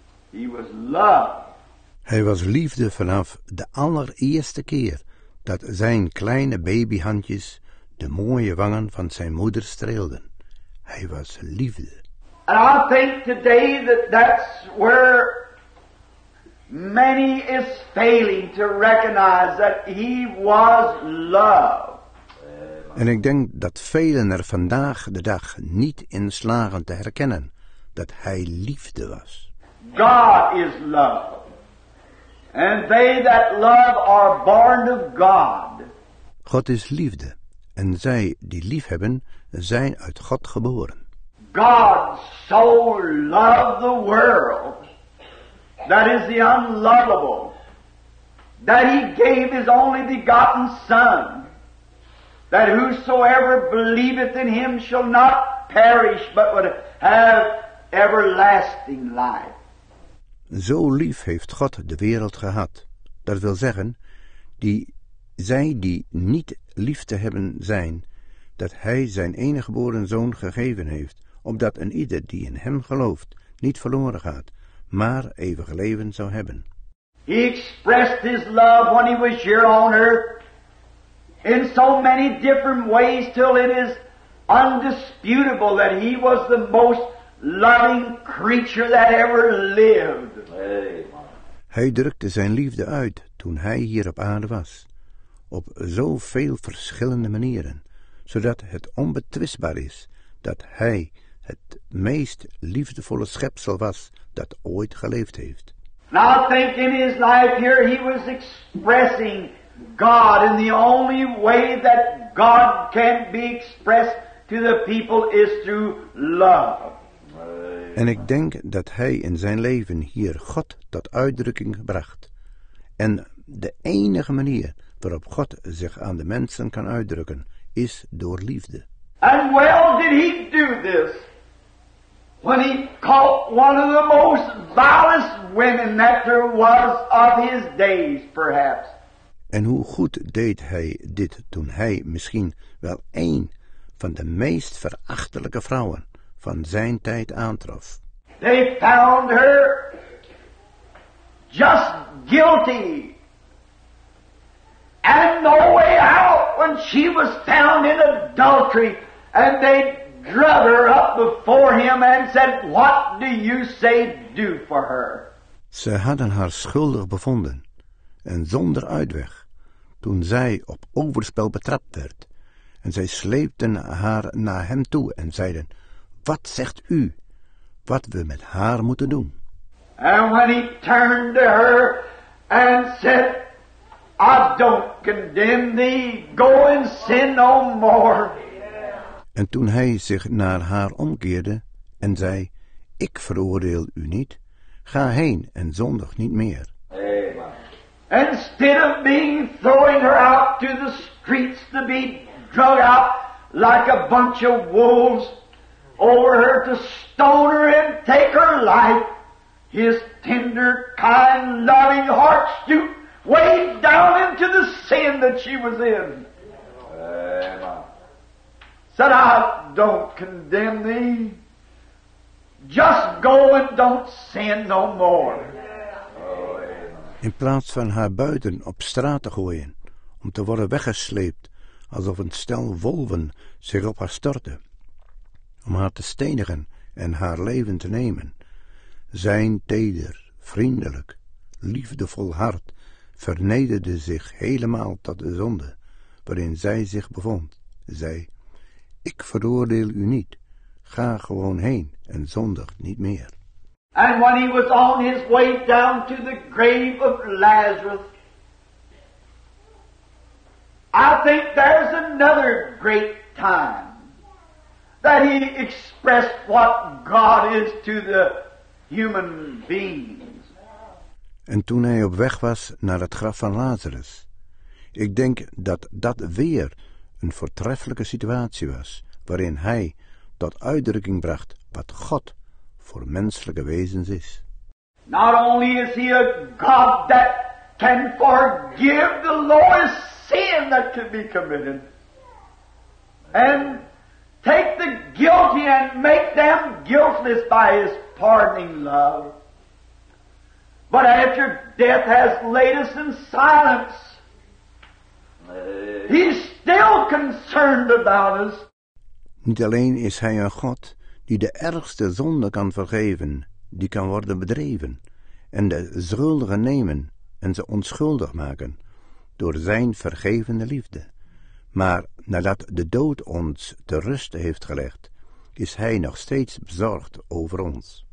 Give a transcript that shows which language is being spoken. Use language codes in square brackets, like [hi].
[en] He was love. [nl] Hij was liefde vanaf de allereerste keer dat zijn kleine babyhandjes de mooie wangen van zijn moeder streelden. Hij was liefde. [en] And I think today that that's where many is failing to recognize that he was love. [nl] En ik denk dat velen er vandaag de dag niet in slagen te herkennen dat hij liefde was. [en] God is love. And they that love are born of God. [nl] God is liefde, en zij die lief hebben, zijn uit God geboren. [en] God so loved the world, that is the unlovable, that he gave his only begotten Son, that whosoever believeth in him shall not perish, but would have everlasting life. [nl] Zo lief heeft God de wereld gehad. Dat wil zeggen, zij die niet lief te hebben zijn, dat hij zijn enige geboren zoon gegeven heeft, opdat een ieder die in hem gelooft, niet verloren gaat, maar eeuwig leven zou hebben. [en] He expressed his love when he was here on earth in so many different ways till it is undisputable that he was the most loving creature that ever lived. [nl] Hij drukte zijn liefde uit toen hij hier op aarde was, op zoveel verschillende manieren, zodat het onbetwistbaar is dat hij het meest liefdevolle schepsel was dat ooit geleefd heeft. [en] Now think in his life here he was expressing God in the only way that God can be expressed to the people is through love. [nl] En ik denk dat hij in zijn leven hier God tot uitdrukking bracht. En de enige manier waarop God zich aan de mensen kan uitdrukken, is door liefde. [en] And well did he do this when he caught one of the most vilest women that there was of his days, perhaps. [nl] En hoe goed deed hij dit toen hij misschien wel één van de meest verachtelijke vrouwen van zijn tijd aantrof. [en] They found her just guilty. And no way out when she was found in adultery. And they drug her up before him and said, what do you say do for her? [nl] Ze hadden haar schuldig bevonden en zonder uitweg toen zij op overspel betrapt werd. En zij sleepten haar naar hem toe en zeiden, wat zegt u wat we met haar moeten doen? [en] And when he turned to her and said, I don't condemn thee, go and sin no more. [nl] En toen hij zich naar haar omkeerde en zei, ik veroordeel u niet, ga heen en zondig niet meer. [en] Amen. Instead of being throwing her out to the streets to be drug out like a bunch of wolves over her to stone her and take her life, his tender, kind, loving heart stooped way down into the sin that she was in. Said, I don't condemn thee. Just go and don't sin no more. [nl] In plaats van haar buiten op straat te gooien, om te worden weggesleept, alsof een stel wolven zich op haar stortte, om haar te stenigen en haar leven te nemen, zijn teder, vriendelijk, liefdevol hart vernederde zich helemaal tot de zonde waarin zij zich bevond, zei, ik veroordeel u niet, ga gewoon heen en zondig niet meer. [en] And when he was on his way down to the grave of Lazarus, I think there's another great time that he expressed what God is to the human beings. [nl] En toen hij op weg was naar het graf van Lazarus, ik denk dat dat weer een voortreffelijke situatie was waarin hij tot uitdrukking bracht wat God voor menselijke wezens is. [en] Not only is he a God that can forgive the lowest sin that can be committed and take the guilty and make them guiltless by his pardoning love, but after death has laid us in silence, he's still concerned about us. [nl] Niet alleen is hij een God die de ergste zonde kan vergeven, die kan worden bedreven, en de schuldigen nemen en ze onschuldig maken door zijn vergevende liefde. Maar nadat de dood ons te rust heeft gelegd, is hij nog steeds bezorgd over ons.